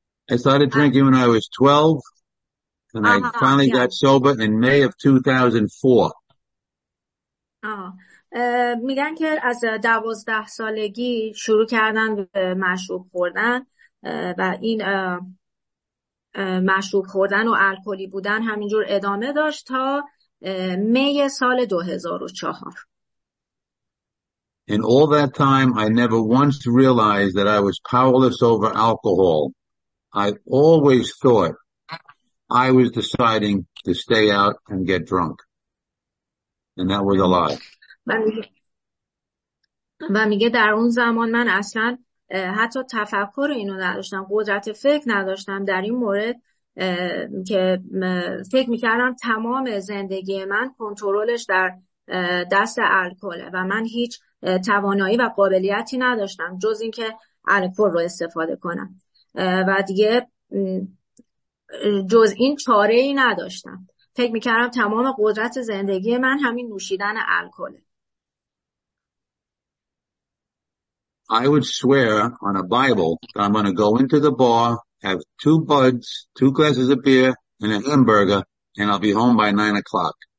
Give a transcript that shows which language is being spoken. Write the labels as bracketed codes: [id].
[en] I started drinking when I was 12, and I finally Yeah. got sober in May of 2004. [fa] میگن که از 12 سالگی شروع کردن به مشروب خوردن و این مشروب خوردن و الکلی بودن همینجور ادامه داشت تا می سال 2004. [en] In all that time, I never once realized that I was powerless over alcohol. I always thought I was deciding to stay out and get drunk. And that was a lie. [fa] و میگه در اون زمان من اصلا حتی تفکر اینو نداشتم، قدرت فکر نداشتم در این مورد که فکر میکردم تمام زندگی من کنترلش در دست الکله و من هیچ توانایی و قابلیتی نداشتم جز اینکه الکل رو استفاده کنم و دیگه جز این چاره ای نداشتم. فکر میکردم تمام قدرت زندگی من همین نوشیدن الکله. [en] I would swear on a Bible that I'm going to go into the bar, have two buds, two glasses of beer, and a hamburger, and I'll be home by 9 o'clock.